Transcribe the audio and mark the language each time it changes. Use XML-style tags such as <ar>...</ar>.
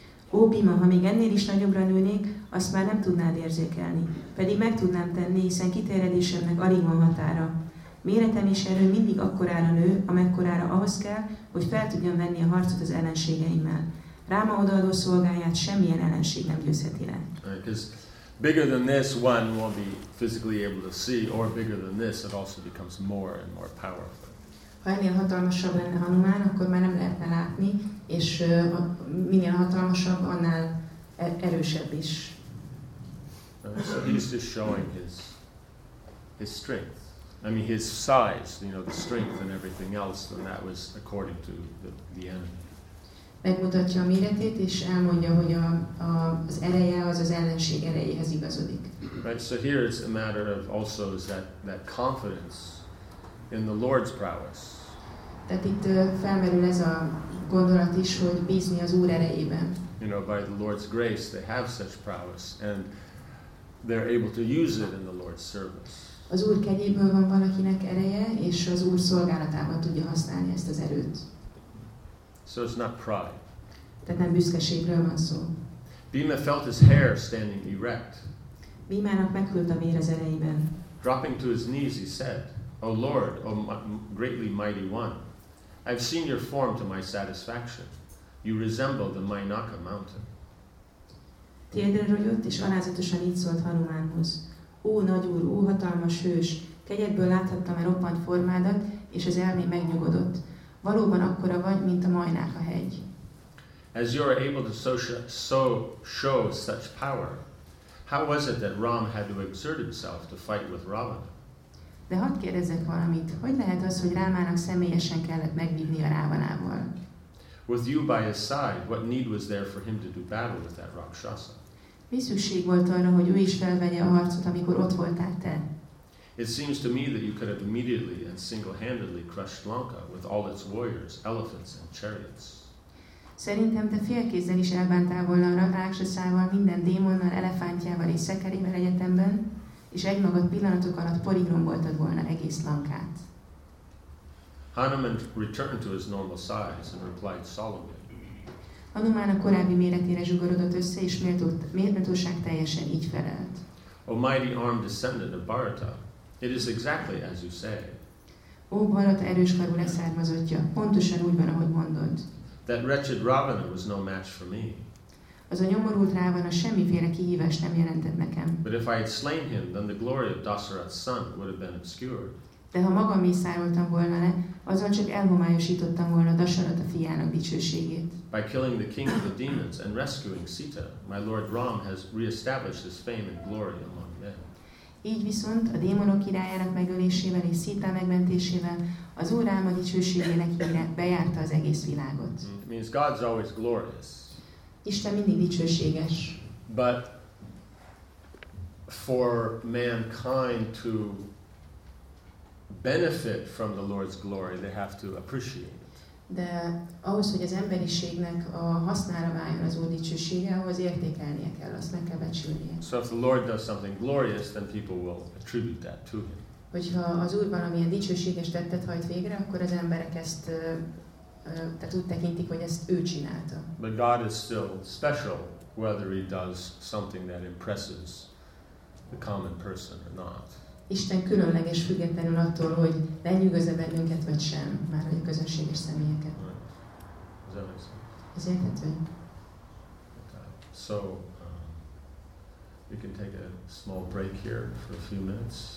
<hu>Ó Bhima, ha még ennél is nagyobbra nőnék, azt már nem tudnád érzékelni. Pedig meg tudnám tenni, hiszen kiterjedésemnek alig van határa. Méretem és erő mindig akkorára nő, amekkorára ahhoz kell, hogy fel tudjam venni a harcot az ellenségeimmel. Ráma odaadó szolgáját semmilyen ellenség nem győzheti le.</hu> <en>Because bigger than this one won't be physically able to see, or bigger than this it also becomes more and more powerful.</en> <hu>Ha ennél hatalmasabb lenne Hanuman, akkor már nem lehetne látni, és minél hatalmasabb, annál erősebb is.</hu> <en>So he's just showing his strength. I mean, his size, you know, the strength and everything else, and that was according to the enemy.</en> <hu>Megmutatja a méretét, és elmondja, hogy az ereje az ellenség erejéhez igazodik.</hu> <en>Right, so here it's a matter of also is that confidence in the Lord's prowess.</en> <hu>Tehát itt felmerül ez a gondolat is, hogy bízni az Úr erejében.</hu> <en>You know, by the Lord's grace, they have such prowess, and they're able to use it in the Lord's service.</en> <hu>Az Úr kegyéből van valakinek ereje, és az Úr szolgálatában tudja használni ezt az erőt.</hu> <en>So it's not pride.</en> <hu>Tehát nem büszkeségről van szó.</hu> <en>Bhima felt his hair standing erect.</en> <hu>Bhimának meghűlt a vér az erejében.</hu> <en>Dropping to his knees, he said, O Lord, O greatly mighty one, I've seen your form to my satisfaction. You resemble the Mainaka mountain.</en> <hu>Térdre rogyott, és alázatosan így szólt Hanumánhoz. Ó, nagy úr, ó, hatalmas hős, kegyedből láthattam-e roppant formádat, és az elmé megnyugodott. Valóban akkora vagy, mint a Mainaka hegy.</hu> <en>As you are able to so show such power, how was it that Ram had to exert himself to fight with Ravana?</en> <hu>De hadd kérdezzek valamit. Hogy lehet az, hogy Rámának személyesen kellett megvívni a Rávanával?</hu> <en>With you by his side, what need was there for him to do battle with that Rakshasa?</en> <hu>Mi szükség volt arra, hogy ő is felvegye a harcot, amikor ott voltál te?</hu> <en>It seems to me that you could have immediately and single-handedly crushed Lanka with all its warriors, elephants and chariots.</en> <hu>Szerintem te félkézzel is elbántál volna a Rakshasával, minden démonnal, elefántjával és szekerével egyetemben, és egy magad pillanatok alatt poligromboltad volna egész Lankát.</hu> <en>Hanuman returned to his normal size and replied solemnly.</en> <hu>Hanuman a korábbi méretére zsugorodott össze, és méltóság teljesen így felelt.</hu> <en>O mighty arm descendant of Bharata, it is exactly as you say.</en> <hu>Ó, Bharata erős karú leszármazottja, pontosan úgy van, ahogy mondod.</hu> <en>That wretched Ravana was no match for me.</en> <hu>Az a nyomorult Ravana semmiféle kihívást nem jelentett nekem.</hu> <en>But if I had slain him, then the glory of Dasarath's son would have been obscured.</en> <hu>De ha magam mészároltam volna le, azon csak elhomályosítottam volna Dasarath a fiának dicsőségét.</hu> <en>By killing the king of the demons and rescuing Sita, my lord Ram has re-established his fame and glory among men.</en> <hu>Így viszont a démonok királyának megölésével és Sita megmentésével az Úr Ráma dicsőségének híre bejárta az egész világot.</hu> <en>It means God's always glorious.</en> <hu>Isten mindig dicsőséges.</hu> <en>But for mankind to benefit from the Lord's glory, they have to appreciate it.</en> <hu>De ahhoz, hogy az emberiségnek a hasznára váljon az Úr dicsősége, ahhoz értékelnie kell, azt meg kell becsülnie.</hu> <en>So if the Lord does something glorious, then people will attribute that to him.</en> <hu>Hogyha az Úr valamilyen dicsőséges tettet hajt végre, akkor az emberek ezt tehát úgy tekintik, hogy ezt ő csinálta.</hu> <en>But God is still special, whether he does something that impresses the common person or not.</en> <hu>Isten különleges függetlenül attól, hogy lenyűgöz-e bennünket vagy sem, már hogy a közönséges személyeket.</hu> <en>Right.</en> <hu>Ez érthető.</hu> <en>So, we can take a small break here for a few minutes.</en>